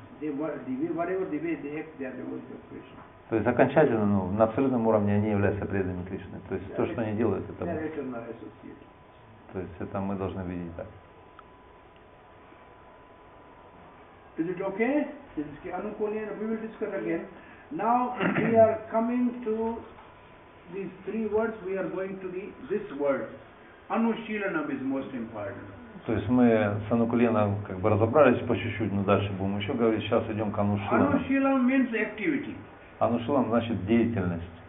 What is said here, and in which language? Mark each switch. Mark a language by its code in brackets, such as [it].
[en] Whatever the way they act, they are devotees of Krishna. [ru] То есть окончательно, ну, на абсолютном уровне они являются преданными Кришны. То есть то, что они делают, это... То есть это мы должны видеть так. [en] Is it okay? Sinski Anukulena, we will discuss again. Now we are coming to these three words, we are going to this word. Anushilanam is most important. [ru] То есть мы с Анукулена как бы разобрались по чуть-чуть, но дальше будем еще говорить. Сейчас идем к Анушилам. [en] Anushilam means activity. [ru] Анушилам значит деятельность.